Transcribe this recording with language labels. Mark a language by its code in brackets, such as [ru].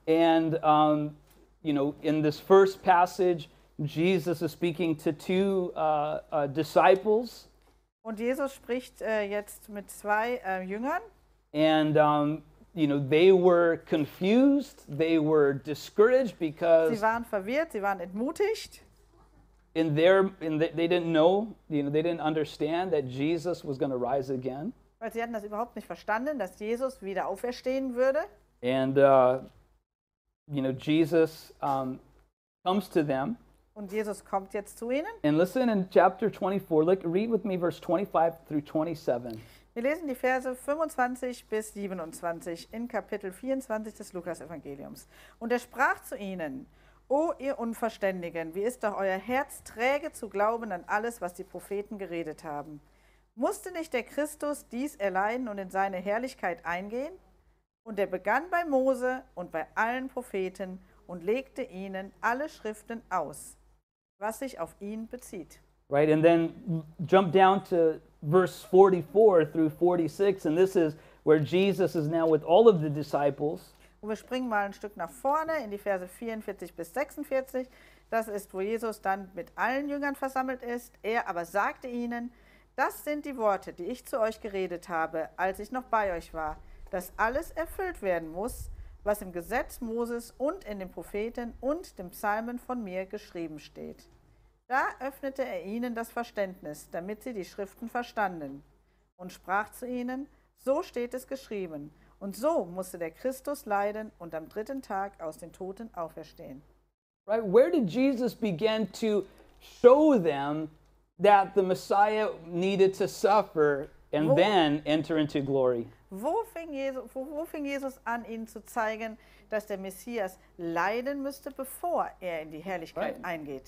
[en] And, you know, in this first passage, Jesus is speaking to two disciples. [de] Und Jesus spricht jetzt mit zwei Jüngern. [en] And, you know, they were confused, they were discouraged because [de] sie waren verwirrt, sie waren entmutigt. [en] They didn't know, you know, they didn't understand that Jesus was going to rise again. [de] Weil sie hatten das überhaupt nicht verstanden, dass Jesus wieder auferstehen würde. [en] And, you know, Jesus comes to them. [de] Und Jesus kommt jetzt zu ihnen. [en] And listen in chapter 24, look, read with me verse 25 through 27. [de] Wir lesen die Verse 25 bis 27 in Kapitel 24 des Lukas-Evangeliums. Und er sprach zu ihnen, O ihr Unverständigen, wie ist doch euer Herz träge zu glauben an alles, was die Propheten geredet haben? Musste nicht der Christus dies erleiden und in seine Herrlichkeit eingehen? Und er begann bei Mose und bei allen Propheten und legte ihnen alle Schriften aus, was sich auf ihn bezieht. [en] Right, and then jump down to verse 44 through 46, and this is where Jesus is now with all of the disciples. [de] Und wir springen mal ein Stück nach vorne in die Verse 44 bis 46. Das ist, wo Jesus dann mit allen Jüngern versammelt ist. Er aber sagte ihnen, das sind die Worte, die ich zu euch geredet habe, als ich noch bei euch war, dass alles erfüllt werden muss, was im Gesetz Moses und in den Propheten und dem Psalmen von mir geschrieben steht. Da öffnete er ihnen das Verständnis, damit sie die Schriften verstanden, und sprach zu ihnen, so steht es geschrieben, und so musste der Christus leiden und am dritten Tag aus den Toten auferstehen. [en] Right, where did Jesus begin to show them that the Messiah needed to suffer and then enter into glory? [de] Wo fing Jesus an, ihnen zu zeigen, dass der Messias leiden müsste, bevor er in die Herrlichkeit eingeht?